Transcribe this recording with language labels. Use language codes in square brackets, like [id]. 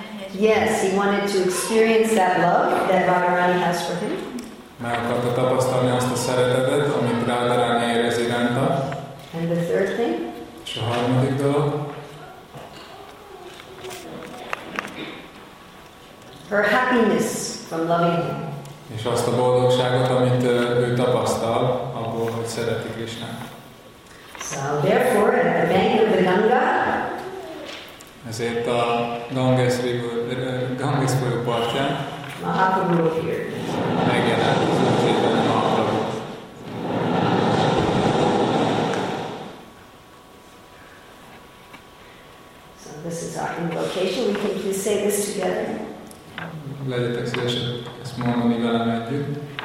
[en] Yes, he wanted to experience that love that Radharani has for him. [hu] Meg akarta tapasztalni azt a szeretetet, amit Radharani érez iránta. [en] And the third thing? [hu] És a harmadik dolog. [en] Her happiness from loving him. [hu] És azt a boldogságot, amit ő tapasztal, abból, hogy szereti Krisnát. [en] So therefore, at the bank of the Ganga, [hu] ezért a Ganges Ganges folyó partján [en] Mahaprabhu [hu] megjelent az útjében Mahaprabhu. [en] So this is our invocation. We can please say this together. [hu] Legyetek szívesek ezt mondani velem együtt.